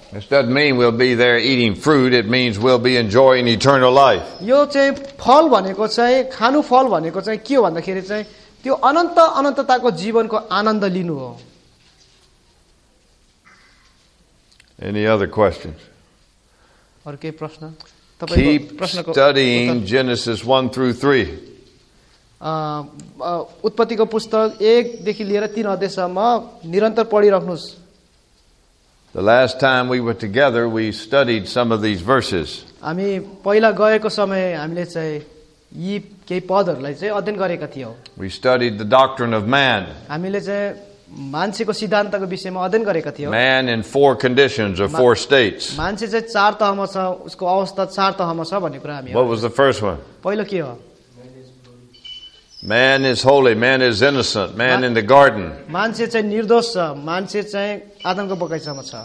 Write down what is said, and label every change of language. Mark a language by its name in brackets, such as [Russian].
[English] This doesn't mean we'll be there eating fruit. It means we'll be enjoying eternal life. [Nepali] यो चाहिँ फल भनेको चाहिँ खानु फल भनेको चाहिँ के भन्दाखेरि चाहिँ त्यो अनन्त अनन्तताको जीवनको आनन्द लिनु हो. [English] Any other questions? [Nepali] अरु के प्रश्न? [English] Keep studying Genesis 1 through 3. [Nepali] उत्पत्तिको पुस्तक 1 देखि लिएर 3 अध्यायसम्म निरन्तर पढिराख्नुस्. [English] The last time we were together, we studied some of these verses. [Nepali] हामी पहिला गएको समय हामीले चाहिँ यी केही पदहरूलाई चाहिँ अध्ययन गरेका थियौँ. [English] We studied the doctrine of man. [Nepali] हामीले चाहिँ मान्छेको सिद्धान्तको विषयमा अध्ययन गरेका थियौँ. [English] Man in four conditions or four states. [Nepali] मान्छे चाहिँ चार तहमा छ, उसको अवस्था चार तहमा छ भन्ने कुरा हामी. [English] What was the first one? [Nepali] पहिलो के हो? [English] Man is holy, man is innocent, man in the garden. [Nepali] मान्छे चाहिँ निर्दोष छ, मान्छे चाहिँ आदमको बगैँचामा छ.